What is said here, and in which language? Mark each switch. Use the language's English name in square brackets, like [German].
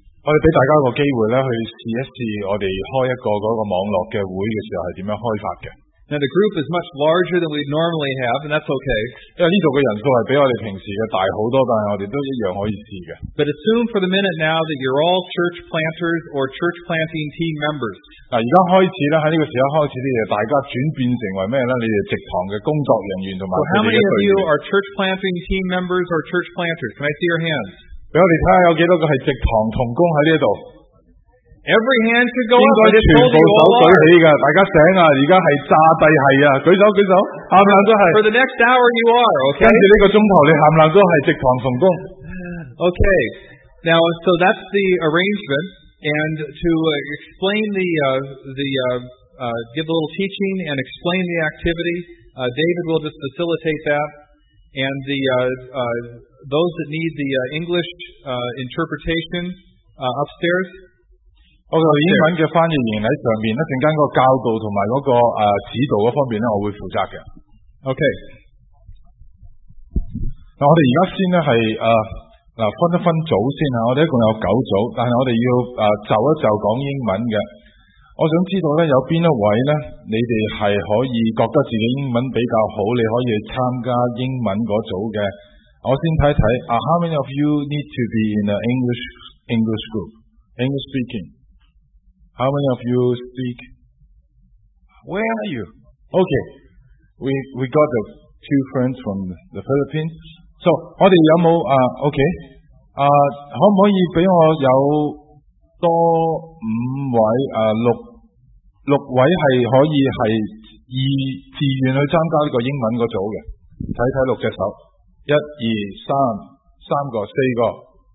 [Cantonese] 我哋俾大家一个机会咧，去试一试我哋开一个嗰个网络嘅会嘅时候系点样开发嘅。 [English] Now the group is much larger than we normally have, and that's okay. [Cantonese] 因为呢度嘅人数系比我哋平时嘅大好多，但系我哋都一样可以试嘅。 [English] But assume for the minute now that you're all church planters or church planting team members. [Cantonese] 嗱，而家开始咧，喺呢个时候开始咧，大家转变成为咩咧？你哋直堂嘅工作人员同埋佢哋嘅队员。 [English] So how many of you are church planting team members or church planters? Can I see your hands? [Cantonese] 俾我哋睇下有几多个系直堂同工喺呢度。 [English] Every hand should go up. [Cantonese] 应该全部手举起噶，大家醒啊！而家系炸帝系啊！举手举手，冚唪唥都系。 [English] For the next hour you are, okay. [Cantonese] 跟住呢个钟头，你冚唪唥都系直堂同工。 [English] Okay, now so that's the arrangement, and to explain give a little teaching and explain the activity, David will just facilitate that. And the, those that need the English interpretation upstairs, [Cantonese] 我个英文嘅翻译员喺上边，一阵间个教导同埋嗰个指导嗰方面咧，我会负责嘅。 OK，嗱，我哋而家先咧系分一分组先啊。我哋一共有九组，但系我哋要就一就讲英文嘅。我想知道咧，有边一位咧，你哋系可以觉得自己英文比较好，你可以参加英文嗰组嘅。我先睇睇啊 [English] ，How many of you need to be in an English group, English speaking? How many of you speak? Where are you? Okay, we got the two friends from the Philippines. [Cantonese] So, 我哋有冇可唔可以俾我有多五位六位系可以系自愿去参加呢个英文嗰组嘅？睇睇六只手，一二三，三个，四个。